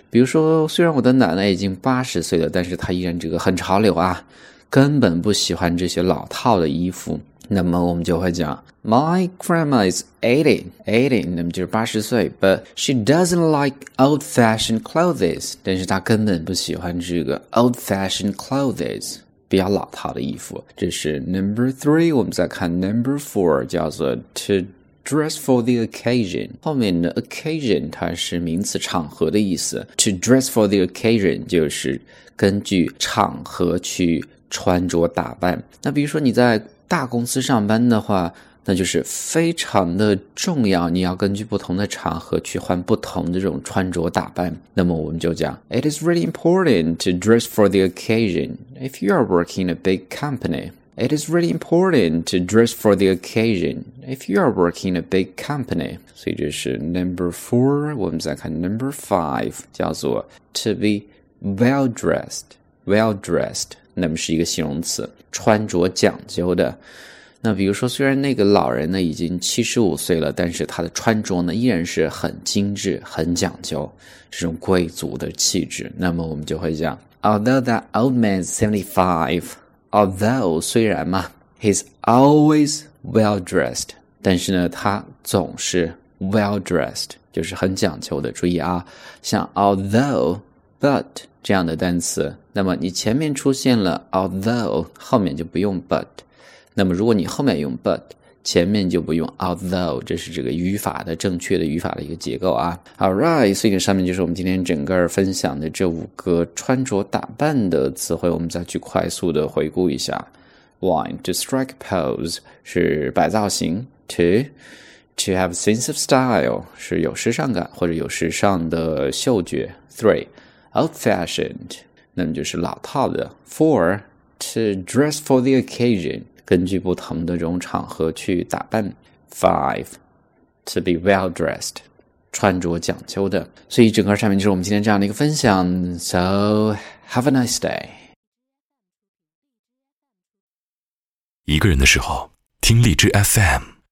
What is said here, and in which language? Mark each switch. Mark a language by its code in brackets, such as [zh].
[zh] 比如说，虽然我的奶奶已经80岁了，但是她依然这个很潮流啊，根本不喜欢这些老套的衣服。那么我们就会讲 [en] My grandma is 80, [zh] 那么就是80岁， [en] But she doesn't like old fashioned clothes， [zh] 但是她根本不喜欢这个 old fashioned clothes， 比较老套的衣服。这是 number three。 我们再看 number four， 叫做 [en] to dress for the occasion。 [zh] 后面的 occasion 它是名词，场合的意思。 [en] to dress for the occasion [zh] 就是根据场合去穿着打扮。那比如说你在大公司上班的话，那就是非常的重要，你要根据不同的场合去换不同的这种穿着打扮。那么我们就讲 [en] It is really important to dress for the occasion if you are working in a big company. It is really important to dress for the occasion if you are working in a big company. [zh] 所以这是 number four。我们再看 number five， 叫做 [en] to be well dressed。 [zh] 那么是一个形容词，穿着讲究的。那比如说虽然那个老人呢已经75岁了，但是他的穿着呢依然是很精致，很讲究，这种贵族的气质。那么我们就会讲 [en] Although that old man is 75， [zh] Although 虽然嘛， [en] He's always well dressed， [zh] 但是呢他总是 well dressed， 就是很讲究的。注意啊，像 although、but 这样的单词，那么你前面出现了 although， 后面就不用 but。那么如果你后面用 but， 前面就不用 although， 这是这个语法的正确的语法的一个结构啊。 [en] Alright， [zh] 所以上面就是我们今天整个分享的这五个穿着打扮的词汇。我们再去快速的回顾一下 1. [en] To strike pose [zh] 是摆造型， 2. [en] To have a sense of style [zh] 是有时尚感或者有时尚的嗅觉， 3. Old fashioned，那么就是老套的。4. [en] To dress for the occasion， [zh] 根据不同的这种场合去打扮。 5. [en] To be well dressed， [zh] 穿着讲究的。所以整个上面就是我们今天这样的一个分享。 [en] So have a nice day。 [zh] 一个人的时候听荔枝 FM。